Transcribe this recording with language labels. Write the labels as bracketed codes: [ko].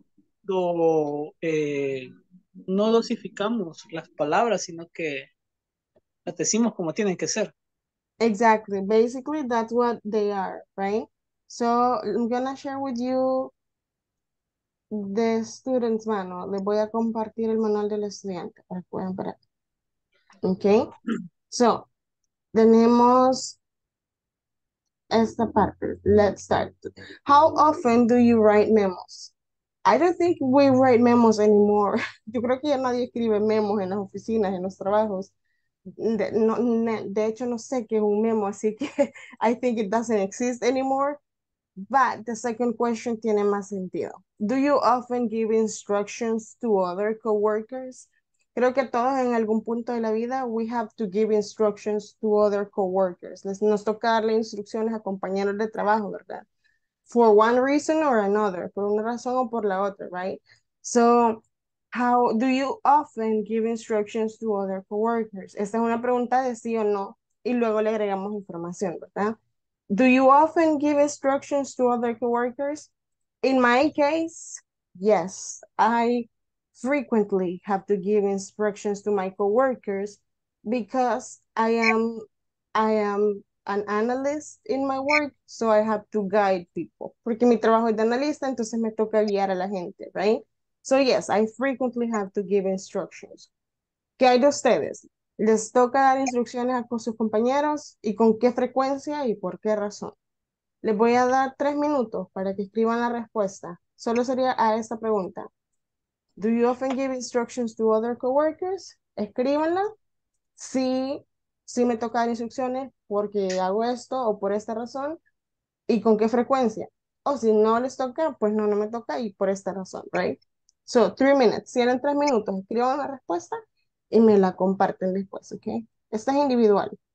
[es] es cuando no dosificamos las palabras, sino que las decimos como tienen que ser. [en] Exactly. Basically, that's what they are, right? So I'm gonna share with you the student's manual. [es] Les voy a compartir el manual del estudiante para que puedan ver. [en] Okay. So tenemos esta parte. Let's start. How often do you write memos? I don't think we write memos anymore. [es] Yo creo que ya nadie escribe memos en las oficinas, en los trabajos. De hecho, no sé qué es un memo, así que [en] I think it doesn't exist anymore. But the second question tiene más sentido. Do you often give instructions to other coworkers? [es] Creo que todos en algún punto de la vida [en] we have to give instructions to other coworkers. [es] Nos toca darle instrucciones a compañeros de trabajo, ¿verdad? [en] For one reason or another, por una razón o por la otra, right? So, how do you often give instructions to other coworkers? [es] Esta es una pregunta de sí o no y luego le agregamos información, ¿verdad? [en] Do you often give instructions to other coworkers? In my case, yes, I frequently have to give instructions to my coworkers because I am an analyst in my work, so I have to guide people. [es] Porque mi trabajo es de analista, entonces me toca guiar a la gente, right? [en] So yes, I frequently have to give instructions. ¿Qué hay de ustedes? [es] ¿Les toca dar instrucciones a sus compañeros y con qué frecuencia y por qué razón? Les voy a dar 3 minutos para que escriban la respuesta. Solo sería a esta pregunta. [en] Do you often give instructions to other coworkers? [es] Escríbanla. Sí, sí me toca dar instrucciones porque hago esto o por esta razón. ¿Y con qué frecuencia? o si no les toca, pues no, no me toca y por esta razón, right? So, 3 minutes. Si eran 3 minutos, escriban la respuesta y me la comparten después, ok? Esta es individual.